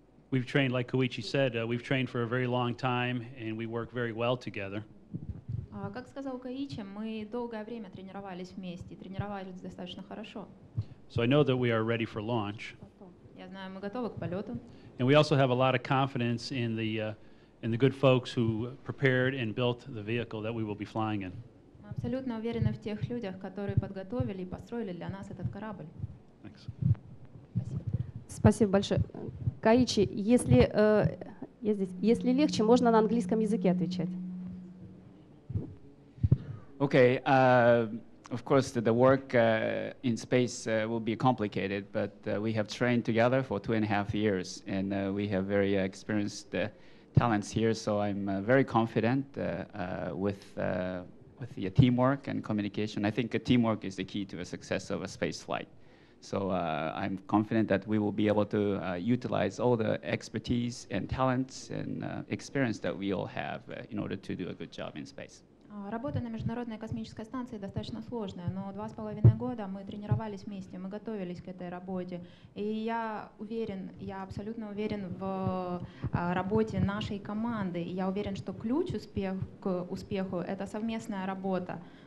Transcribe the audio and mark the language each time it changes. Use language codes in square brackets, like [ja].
[en] We've trained, like Коичи said, we've trained for a very long time, and we work very well together. [ru] Как сказал Коичи, мы долгое время тренировались вместе, тренировались достаточно хорошо. [en] So I know that we are ready for launch. [ru] Я знаю, мы готовы к полету. [en] And we also have a lot of confidence in the good folks who prepared and built the vehicle that we will be flying in. [ru] Мы абсолютно уверены в тех людях, которые подготовили и построили для нас этот корабль. [en] Thanks. [ru] Спасибо большое. Каичи, если, я здесь, если легче, можно на английском языке отвечать. [en] Okay, of course the work in space will be complicated, but we have trained together for 2.5 years, and we have very experienced talents here, so I'm very confident with the teamwork and communication. I think teamwork is the key to the success of a space flight. So I'm confident that we will be able to utilize all the expertise and talents and experience that we all have in order to do a good job in space. [ru] Работа на Международной космической станции достаточно сложная, но 2.5 года мы тренировались вместе, мы готовились к этой работе. И я уверен, я абсолютно уверен в работе нашей команды. И я уверен, что ключ к успеху — это совместная работа.